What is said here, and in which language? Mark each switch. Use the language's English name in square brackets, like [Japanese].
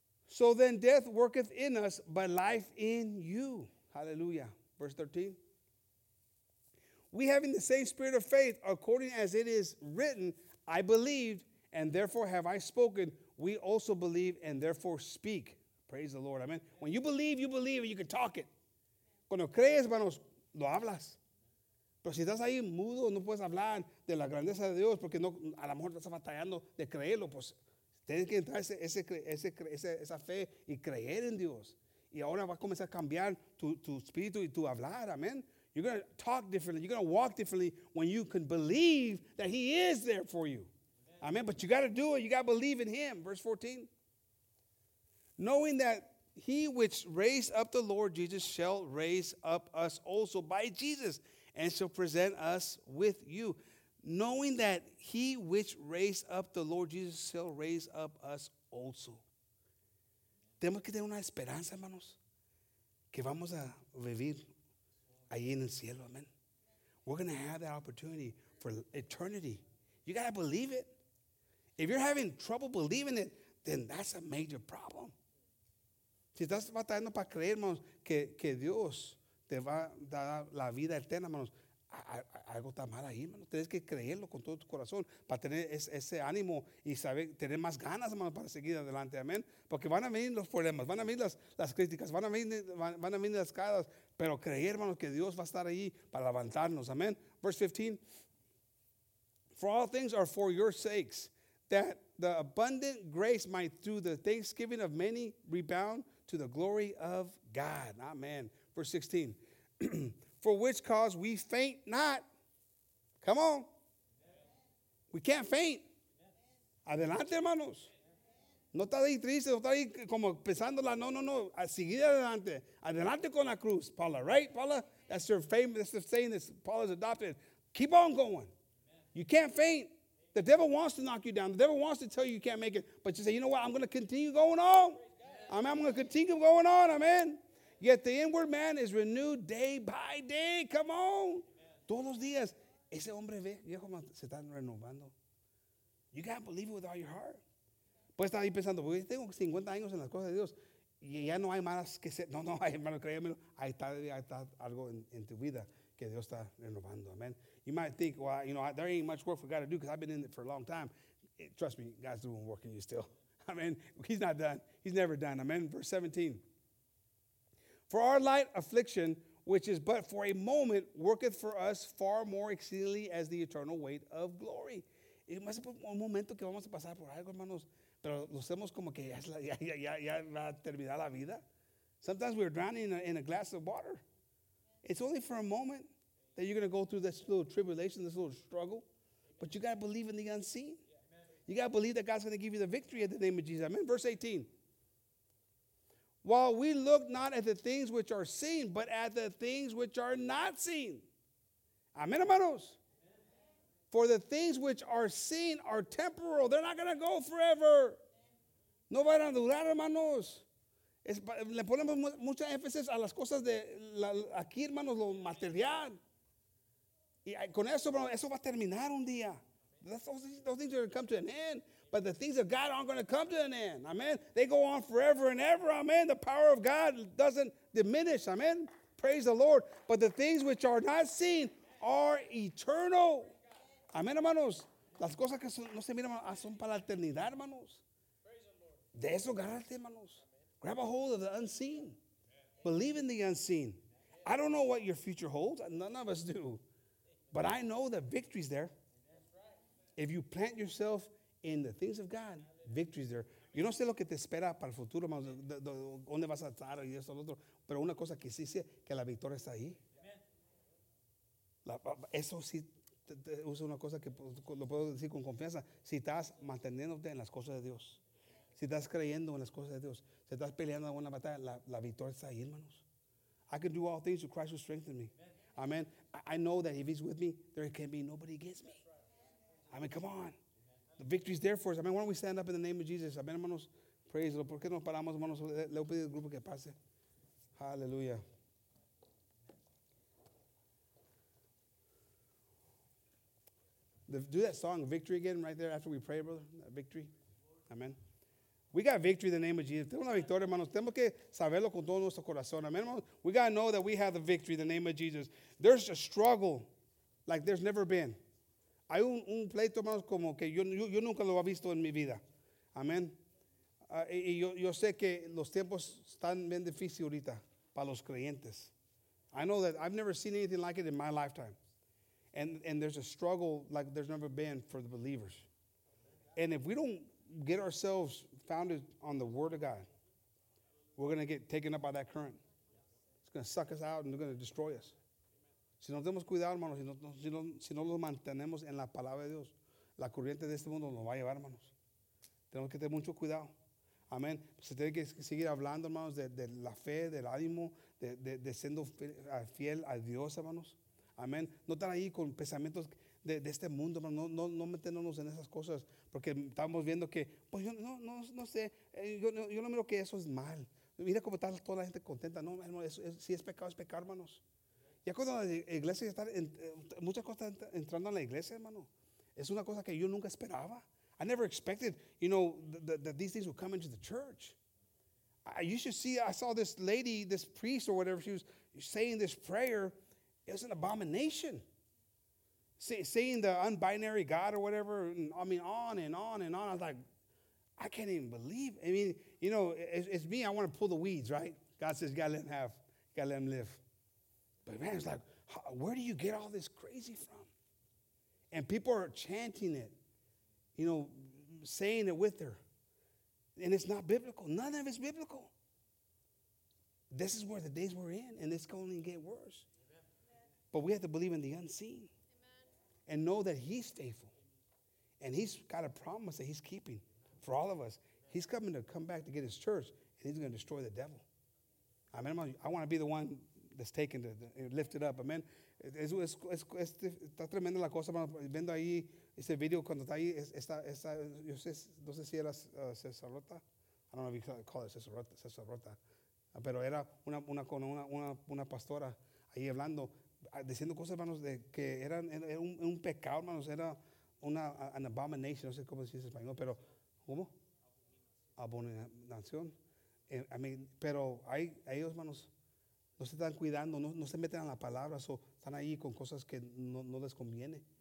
[English] So then death worketh in us, but life in you. Hallelujah. Verse 13. We having the same spirit of faith, according as it is written, I believed, and therefore have I spoken. We also believe, and therefore speak. Praise the Lord. Amen. When you believe, and you can talk it. [Spanish] Cuando crees, hermanos, lo hablas. Pero si estás ahí mudo, no puedes hablar de la grandeza de Dios, porque no, a lo mejor estás batallando de creerlo, pues. Tienes que entrar esa fe y creer en Dios. Y ahora va a comenzar a cambiar tu espíritu y tu hablar. [English] Amen. You're going to talk differently. You're going to walk differently when you can believe that he is there for you. Amen. Amen. But you got to do it. You got to believe in him. Verse 14. Knowing that he which raised up the Lord Jesus shall raise up us also by Jesus and shall present us with you. Knowing that he which raised up the Lord Jesus shall raise up us also. [Spanish] Tenemos que tener una esperanza, hermanos, que vamos a vivir ahí en el cielo, amen. [English] We're going to have that opportunity for eternity. You got to believe it. If you're having trouble believing it, then that's a major problem. [Spanish] Si estás batallando para creer, hermanos, que Dios te va a dar la vida eterna, hermanos, algo está mal ahí, hermano. Tienes que creerlo con todo tu corazón para tener ese ánimo y saber tener más ganas, hermano, para seguir adelante, amén. Porque van a venir los problemas, van a venir las críticas, van a venir las caras, pero creer, hermano, que Dios va a estar ahí para levantarnos, amén. [English] Verse 15. For all things are for your sakes, that the abundant grace might through the thanksgiving of many rebound to the glory of God. Amen. Verse 16. For which cause we faint not. Come on. We can't faint. [Spanish] Adelante, hermanos. No está ahí triste, no está ahí como pensándola. No, no, no. A seguir adelante. Adelante con la cruz, Paula. [English] Right, Paula? That's her famous, that's the saying that Paula's adopted. Keep on going. You can't faint. The devil wants to knock you down. The devil wants to tell you you can't make it. But you say, you know what? I'm going to continue going on. I mean, I'm going to continue going on. Amen. Yet the inward man is renewed day by day. Come on. [Spanish] Todos los días. Ese hombre ve, viejo, se están renovando. [English] You got to believe it with all your heart. [Spanish] Puedes estar ahí pensando, porque tengo 50 años en las cosas de Dios. Y ya no hay malas que ser. No, no, hermano, créeme. Ahí está algo en tu vida que Dios está renovando. Amen. [English] You might think, well, you know, there ain't much work we got to do because I've been in it for a long time. Trust me, God's doing work in you still. Amen. He's not done. He's never done. Amen. Verse 17. For our light affliction, which is but for a moment, worketh for us far more exceedingly as the eternal weight of glory. [Spanish] Es más un momento que vamos a pasar por algo, hermanos. Pero lo hacemos como que ya va a terminar la vida. [English] Sometimes we're drowning in a glass of water. It's only for a moment that you're going to go through this little tribulation, this little struggle. But you got to believe in the unseen. You got to believe that God's going to give you the victory in the name of Jesus. Amen. Verse 18. While we look not at the things which are seen, but at the things which are not seen. Amen, hermanos. For the things which are seen are temporal. They're not going to go forever. [Spanish] No van a durar, hermanos. Le ponemos mucha énfasis a las cosas de aquí, hermanos, lo material. Y con eso, hermanos, eso va a terminar un día. [English] Those things are going to come to an end. But the things of God aren't going to come to an end. Amen. They go on forever and ever. Amen. The power of God doesn't diminish. Amen. Praise the Lord. But the things which are not seen are eternal. Amen, hermanos. [Spanish] Las cosas que no se miran son para la eternidad, hermanos. De eso agárrate, hermanos. [English] Grab a hold of the unseen. Believe in the unseen. I don't know what your future holds. None of us do. But I know that victory's there. If you plant yourself in the things of God, victory is there. [Spanish] Yo no sé lo que te espera para el futuro, hermanos, dónde vas a estar y eso, lo otro. Pero una cosa que sí sé, que la victoria está ahí. Eso sí, es una cosa que lo puedo decir con confianza. Si estás manteniéndote en las cosas de Dios. Si estás creyendo en las cosas de Dios, si estás peleando en una batalla, la victoria está ahí, hermanos. [English] I can do all things through Christ who strengthens me. Amen. I know that if he's with me, there can be nobody against me. I mean, come on. The victory is there for us. I mean, why don't we stand up in the name of Jesus? [Spanish] Amen, hermanos. [English] Praise the Lord. [Spanish] ¿Por qué nos paramos, hermanos? Le voy a pedir al grupo que pase. Hallelujah. [English] Do that song, Victory, again, right there after we pray, brother. Victory. Amen. We got victory in the name of Jesus. [Spanish] Tenemos la victoria, hermanos. Tenemos que saberlo con todo nuestro corazón. Amen, hermanos. [English] We got to know that we have the victory in the name of Jesus. There's a struggle like there's never been. [Spanish] Hay un pleito, hermanos, como que yo nunca lo he visto en mi vida. Amen. Y yo sé que los tiempos están bien difíciles ahorita para los creyentes. [English] I know that I've never seen anything like it in my lifetime. And there's a struggle like there's never been for the believers. And if we don't get ourselves founded on the Word of God, we're going to get taken up by that current. It's going to suck us out and they're going to destroy us. [Spanish] Si no tenemos cuidado, hermanos, si no lo mantenemos en la palabra de Dios, la corriente de este mundo nos va a llevar, hermanos. Tenemos que tener mucho cuidado. Amén. Se tiene que seguir hablando, hermanos, de la fe, del ánimo, de siendo fiel a Dios, hermanos. Amén. No estar ahí con pensamientos de este mundo, hermanos. No meternos en esas cosas porque estamos viendo que, pues yo no sé, yo no miro que eso es mal. Mira cómo está toda la gente contenta. No, hermano, si es pecado, es pecado, hermanos. Ya cuando la iglesia está, muchas cosas están entrando en la iglesia, hermano. Es una cosa que yo nunca esperaba. [English] I never expected, you know, that these things would come into the church. I saw this lady, this priest or whatever, she was saying this prayer. It was an abomination. Saying the unbinary God or whatever, I mean, on and on and on. I was like, I can't even believe. I mean, you know, it's me. I want to pull the weeds, right? God says, gotta let him live. But man, it's like, where do you get all this crazy from? And people are chanting it, you know, saying it with her. And it's not biblical. None of it's biblical. This is where the days we're in, and it's going to get worse. Amen. But we have to believe in the unseen. Amen. And know that he's faithful. And he's got a promise that he's keeping for all of us. He's coming to come back to get his church, and he's going to destroy the devil. I mean, I want to be the one that's taken to lift it up. Amen. [Spanish] Está tremenda la cosa, viendo ahí ese video cuando está ahí. Yo sé, no sé si era César Rota. [English] I don't know if you call it César Rota. [Spanish] Pero era una pastora ahí hablando, diciendo cosas, hermanos, de que era un pecado, hermanos. Era an abomination. No sé cómo se dice en español, pero ¿cómo? Abominación. Pero hay ellos, hermanos, no se están cuidando, no se meten a la palabra, están ahí con cosas que no les conviene.